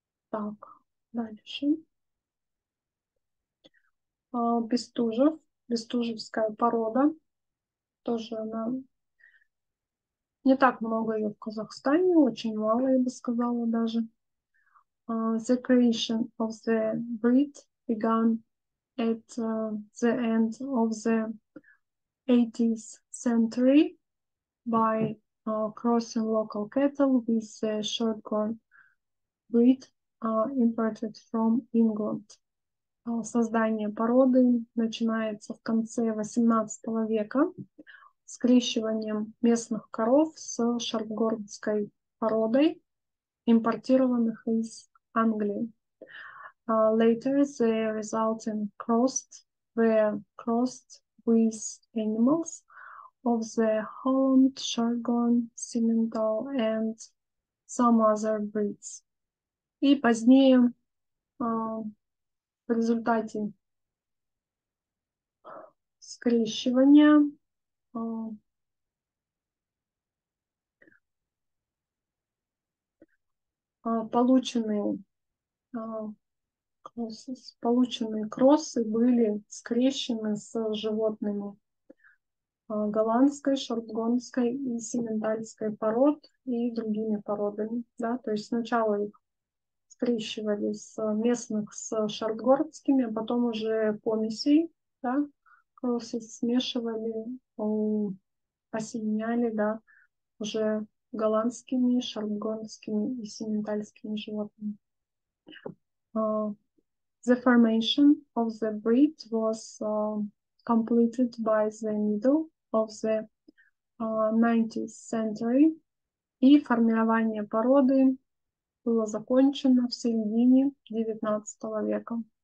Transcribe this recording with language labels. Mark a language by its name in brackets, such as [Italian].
[Russian] Так, дальше. Бестужев, бестужевская порода. Тоже она не так много ее в Казахстане, очень мало, я бы сказала, даже. [English] The creation of the breed began at the end of the 80th century by crossing local cattle with the shorthorn breed imported from England. [Russian] Создание породы начинается в конце 18 века скрещиванием местных коров с шорткорнской породой, импортированных из Англии. [English] Later the resulting crossed were crossed with animals of the Holland, Shorthorn, Simmental and some other breeds. [Russian] И позднее в результате скрещивания полученные кроссы были скрещены с животными голландской, шортгонской и симментальской пород и другими породами. Да? То есть сначала их скрещивали с местных с шортгордскими, а потом уже помесей, да, кроссы смешивали, осеменяли, да, уже голландскими, шортгордскими и симментальскими животными. [English] The formation of the breed was completed by the middle of the 19th century. [Russian] И формирование породы было закончено в середине 19 века.